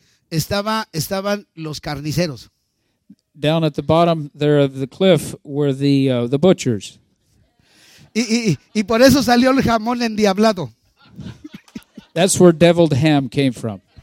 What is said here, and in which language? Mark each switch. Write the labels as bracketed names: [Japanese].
[Spanish] Estaban los carniceros. [English] Down at the bottom there of the cliff were the butchers. [Spanish] Y por eso salió el jamón endiablado. [English] That's where deviled ham came from.